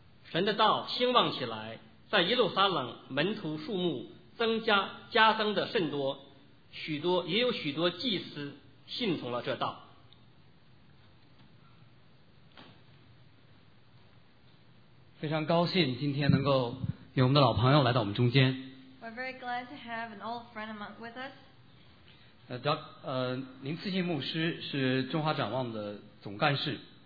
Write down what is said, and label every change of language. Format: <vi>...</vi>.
<zh>神的道兴旺起来，在耶路撒冷门徒数目加增的甚多，也有许多祭司信从了这道。非常高兴今天能够有我们的老朋友来到我们中间。</zh> <en>We're very glad to have an old friend among with us.</en> <zh>林次信牧师是中华展望的总干事。</zh>